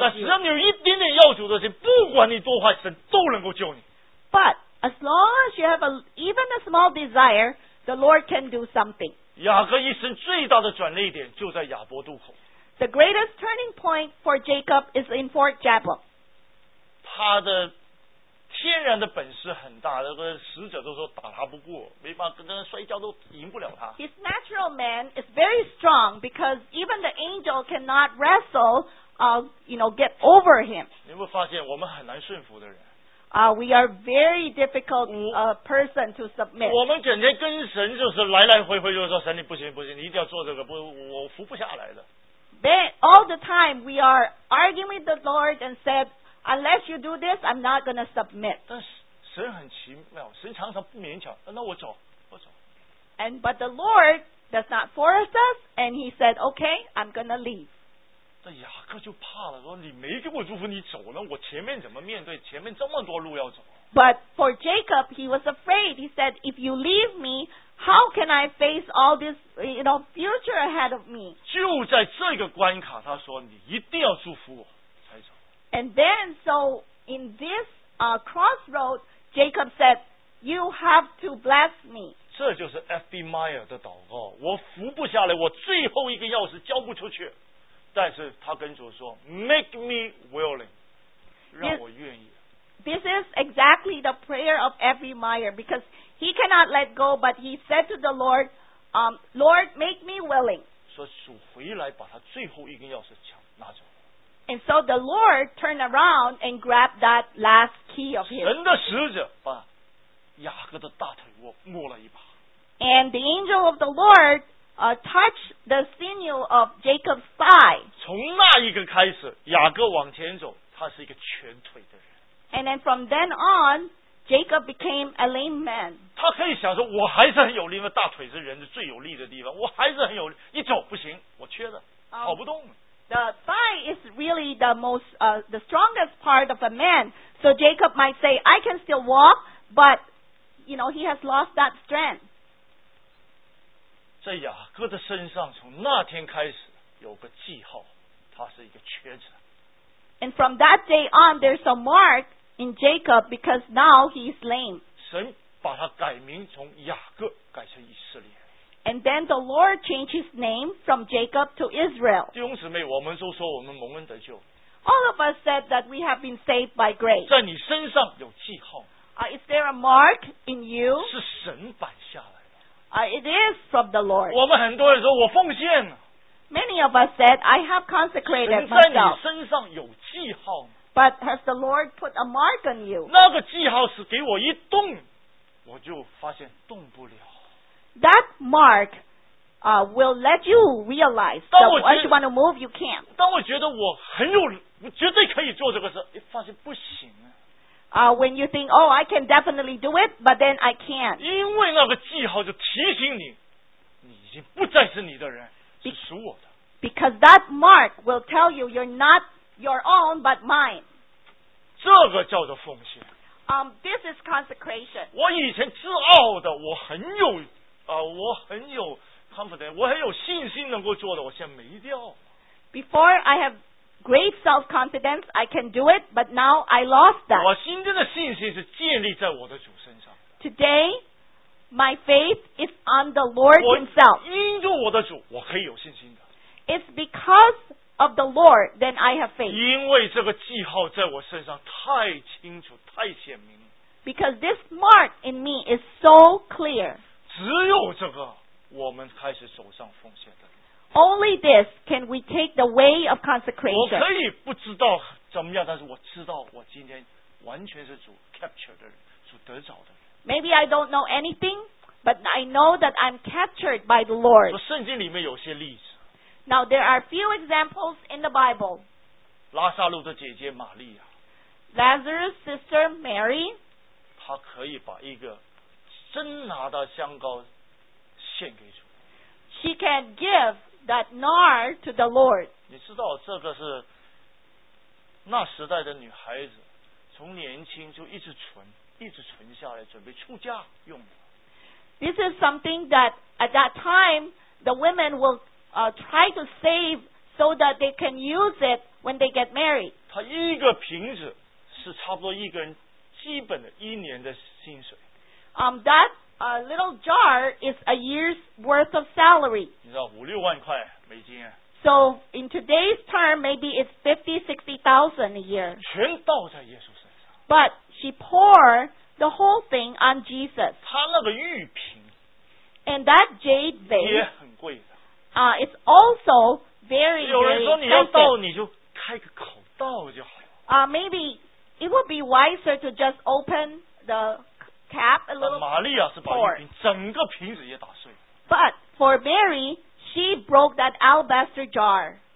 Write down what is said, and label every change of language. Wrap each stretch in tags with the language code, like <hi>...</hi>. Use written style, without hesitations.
<zh>但只要你有一点点要求的心，不管你多坏，神都能够救你。</zh> <en>But as long as you have even a small desire, the Lord can do something.</en> <zh>雅各一生最大的转捩点就在亚伯渡口。</zh> <en>The greatest turning point for Jacob is in Fort Jabbok.</en> <zh>他的天然的本事很大，那个使者都说打他不过，没办法，跟他摔跤都赢不了他。</zh> <en>His natural man is very strong because even the angel cannot wrestle, you know, get over him.</en> <zh>你会发现我们很难顺服的人。</zh> <en>We are very difficult person to submit.</en> <zh>我们整天跟神就是来来回回，就是说神你不行不行，你一定要做这个，不我服不下来的。</zh> <en>Then all the time we are arguing with the Lord and said. Unless you do this, I'm not going to submit.</en> <zh>但神很奇妙，神常常不勉强。那我走，我走。</zh> <en>And but the Lord does not force us, and He said, "Okay, I'm going to leave."</en> <zh>这雅各就怕了，说你没给我祝福，你走了，我前面怎么面对？前面这么多路要走。</zh> <en>But for Jacob, he was afraid. He said, "If you leave me, how can I face all this, you know, future ahead of me?"</en> <zh>就在这个关卡，他说：“你一定要祝福我。”</zh> <en>And then, so in this crossroad, Jacob said, "You have to bless me."</en> <zh>这就是 F.B. Meyer 的祷告。我服不下来，我最后一个钥匙交不出去。但是他跟主说 ，</zh> <en>"Make me willing,"</en> <zh>让我愿意。</zh> <en>This is exactly the prayer of F.B. Meyer because he cannot let go, but he said to the Lord, "Lord, make me willing."</en> <zh>说主回来把他最后一根钥匙抢拿走。</zh> <en>And so the Lord turned around and grabbed that last key of his.</en> <zh>神的使者把雅各的大腿窝摸了一把。</zh> <en>And the angel of the Lord touched the sinew of Jacob's thigh.</en> <zh>从那一个开始，雅各往前走，他是一个瘸腿的人。</zh> <en>And then from then on, Jacob became a lame man.</en> <zh>他可以想说，我还是很有力，因为大腿是人的最有力的地方，我还是很有力。一走不行，我瘸的，跑不动。</zh> <en>The thigh is really the most, the strongest part of a man. So Jacob might say, I can still walk, but, you know, he has lost that strength.</en> <zh>在雅各的身上从那天开始有个记号，他是一个瘸子。</zh> <en>And from that day on, there's a mark in Jacob because now he's lame.</en> <zh>神把他改名从雅各改成以色列。</zh> <en>And then the Lord changed his name from Jacob to Israel.</en> <zh>弟兄姊妹，我们都说我们蒙恩得救。</zh> <en>All of us said that we have been saved by grace.</en> <zh>在你身上有记号。</zh> <en>Is there a mark in you?</en> <zh>是神摆下来的。</zh> <en>It is from the Lord.</en> <zh>我们很多人说我奉献。</zh> <en>Many of us said, I have consecrated myself.</en> <zh>神在你身上有记号。</zh> <en>But has the Lord put a mark on you?</en> <zh>那个记号是给我一动，我就发现动不了。</zh> <en>That mark will let you realize that once you want to move, you can't.</en> <zh>当我觉得我很有，我绝对可以做这个事，哎，发现不行啊。</zh> <en>When you think, oh, I can definitely do it, but then I can't.</en> <zh>因为那个记号就提醒你，你已经不再是你的人，是属我的。</zh> <en>Because that mark will tell you you're not your own, but mine.</en> <zh>这个叫做奉献。</zh> <en>This is consecration.</en> <zh>我以前自傲的，我很有。我很有 confidence, 我很有信心能够做的，我现在没掉。</zh> <en>Before I have great self-confidence, I can do it, but now I lost that.</en> <zh>我心中的信心是建立在我的主身上。</zh> <en>Today, my faith is on the Lord himself.</en> <zh>因着我的主，我可以有信心的。</zh> <en>It's because of the Lord, then I have faith.</en> <zh>因为这个记号在我身上太清楚，太显明。</zh> <en>Because this mark in me is so clear.</en> <zh>只有这个，我们开始走上奉献的。</zh> <en>Only this can we take the way of consecration.</en> <zh>我可以不知道怎么样，但是我知道我今天完全是主 captured 的人，主得着的人。</zh> <en>Maybe I don't know anything, but I know that I'm captured by the Lord.</en> <zh>圣经里面有些例子。</zh> <en>Now there are few examples in the Bible.</en> <zh>拉撒路的姐姐玛利亚。</zh> <en>Lazarus' sister Mary.</en> <zh>她可以把一个。真拿到香膏献给主。</zh> <en>She can give that nard to the Lord.</en> <zh>你知道这个是那时代的女孩子从年轻就一直存，一直存下来准备出嫁用的。</zh> <en>This is something that at that time the women will try to save so that they can use it when they get married.</en> <zh>他一个瓶子是差不多一个人基本的一年的薪水。</zh> <en>That little jar is a year's worth of salary.</en> <zh>你知道五六万块美金啊。</zh> <en>So in today's term, maybe it's 50,000-60,000 a year.</en> <zh>全倒在耶稣身上。</zh> <en>But she poured the whole thing on Jesus.</en> <zh>他那个玉瓶。</zh> <en>And that jade vase.</en> <zh>也很贵的。</zh> <en>It's also very, very expensive.</en> <zh>有人说你要倒，你就开个口倒就好了。</zh> <en>Maybe it would be wiser to just open the cap a little.</en> <zh>玛利亚是把玉瓶整个瓶子也打碎。</zh> <en>But for Mary. She broke that alabaster jar.</en>